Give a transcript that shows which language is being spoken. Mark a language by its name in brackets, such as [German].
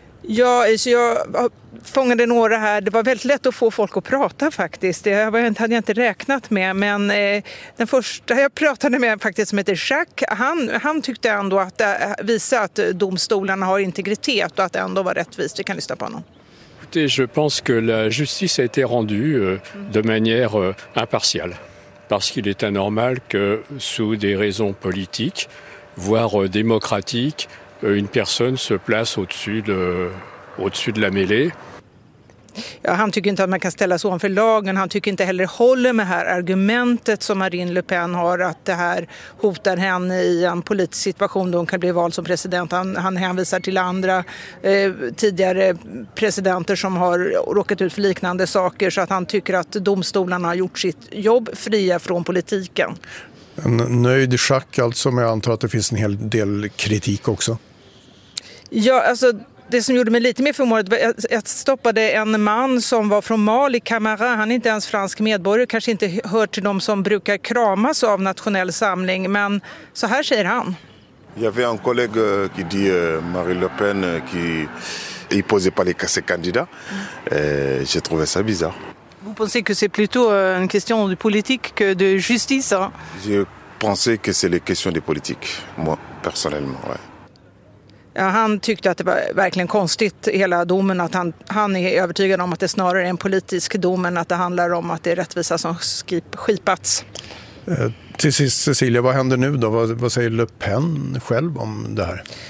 [Swedish] Ja, så jag fångade några här. Det var väldigt lätt att få folk att prata faktiskt. Det hade jag inte räknat med. Men den första jag pratade med faktiskt, som heter Jacques, han tyckte ändå att visa att domstolarna har integritet och att det ändå var rättvist. Vi kan lyssna på honom. [French] Je pense que la justice a été rendue de manière impartiale, parce qu'il est anormal que sous des raisons politiques, voire démocratiques, une personne se place au-dessus de la mêlée. [Swedish] Ja, han tycker inte att man kan ställa sig ovanför lagen. Han tycker inte heller håller med här argumentet som Marine Le Pen har, att det här hotar henne i en politisk situation då hon kan bli vald som president. Han hänvisar till andra tidigare presidenter som har råkat ut för liknande saker, så att han tycker att domstolarna har gjort sitt jobb fria från politiken. En nöjd schack alltså, men jag antar att det finns en hel del kritik också. Ja, alltså, det som gjorde mig lite mer förmodad var att jag stoppade en man som var från Mali, Camara. Han är inte ens fransk medborgare, kanske inte hör till de som brukar kramas av Nationell samling, men så här säger han. Jag hade en kollega som sa Marine Le Pen [French] qui il posait pas les candidats. J'ai trouvé ça bizarre. Vous pensez que c'est plutôt une question de politique que de justice, hein? Je pensais que c'est les questions de politique, moi personnellement, ouais. [Swedish] Ja, han tyckte att det var verkligen konstigt hela domen, att han är övertygad om att det snarare är en politisk dom än att det handlar om att det är rättvisa som skipats. Till sist, Cecilia, vad händer nu då? Vad säger Le Pen själv om det här?